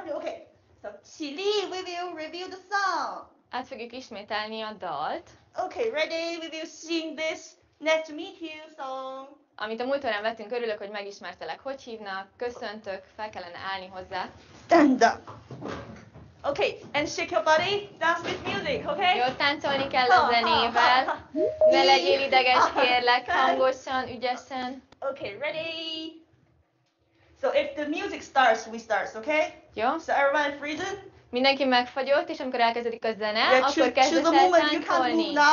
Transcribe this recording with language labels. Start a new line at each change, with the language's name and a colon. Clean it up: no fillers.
English: OK, so, 起立, we will review the song.
Hungarian: át fogjuk ismételni a dalt.
English: OK, ready, we will sing this nice to meet you song.
Hungarian: Amit a múlt órán vettünk, örülök, hogy megismertelek. Hogy hívnak? Köszöntök, fel kellene állni hozzá.
English: Stand up. Okay, and shake your body, dance with music, okay?
Hungarian: Jó, táncolni kell a zenével. Ne legyél ideges, kérlek, hangosan, ügyesen.
English: Okay, ready? So if the music starts, we start, okay?
Hungarian: Jó.
English: So everyone freezing?
Hungarian: Mindenki megfagyott, és amikor elkezdődik a zene,
English: yeah,
Hungarian: akkor kezdesz el táncolni.